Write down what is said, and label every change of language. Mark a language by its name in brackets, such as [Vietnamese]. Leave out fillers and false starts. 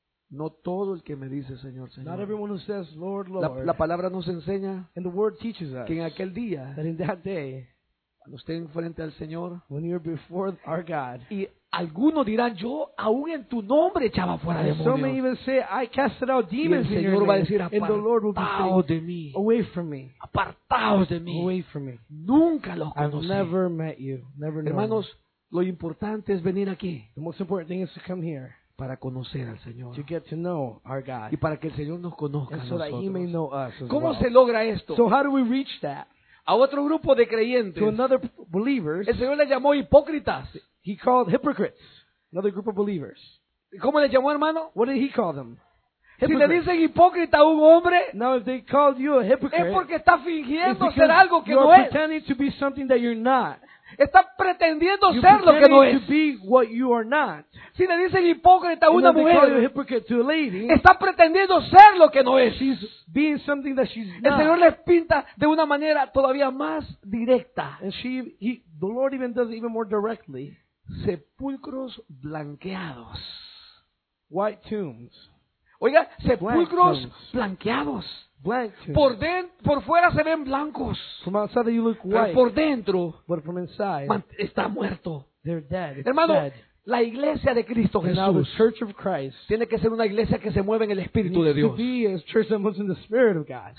[Spanish] No todo el que me dice Señor, Señor. [English] Not everyone who says Lord, Lord. [Spanish] La palabra nos enseña, [English] and the word teaches us, [Spanish] que en aquel día, [English] that in that day, [Spanish] cuando estén frente al Señor, [English] when you're before our God, [Spanish] y algunos dirán, yo aún en tu nombre echaba fuera demonios. [English] Some may even say, I casted out demons in your name. And the Lord will be saying, away from me. [Spanish] Apartaos de mí. [English] Away from me. [Spanish] Nunca los conocí. [English] I've never met you. Never know. [Spanish] Hermanos, lo importante es venir aquí. [English] The most important thing is to come here. [Spanish] Para conocer al Señor. [English] To get to know our God. [Spanish] Y para que el Señor nos conozca a nosotros. [English] And so that he may know us as well. [Spanish] ¿Cómo se logra esto? [English] So how do we reach that? [Spanish] A otro grupo de creyentes. [English] To another believers. [Spanish] El Señor les llamó hipócritas. [English] He called hypocrites. Another group of believers. [Spanish] ¿Cómo les llamó, hermano? [English] What did he call them? [Spanish] Hypocrite. Si le dicen hipócrita a un hombre, [English] now if they called you a hypocrite, [Spanish] es porque está fingiendo ser algo que no es. [English] pretending to be something that you're not. [Spanish] Está pretendiendo ser lo que no es. [English] To be what you are not. [Spanish] Si le dicen hipócrita a una mujer, [English] they call a hypocrite to a lady, [Spanish] está pretendiendo ser lo que no es. [English] She's being something that she's not. [Spanish] El Señor les pinta de una manera todavía más directa. [English] And the Lord even does it even more directly. [Spanish] Sepulcros blanqueados. [English] White tombs. [Spanish] Oiga, sepulcros blanqueados. [English] Blank tombs. [Spanish] Por fuera se ven blancos. [English] From outside you look white. [Spanish] Pero por dentro, [English] but from inside, [Spanish] está muerto. [English] They're dead. It's [Spanish] hermano, [English] dead. [Spanish] La iglesia de Cristo Jesús, [English] and now the Church of Christ, [Spanish] tiene que ser una iglesia que se mueve en el Espíritu de Dios. [English] Be a church that moves in the Spirit of God.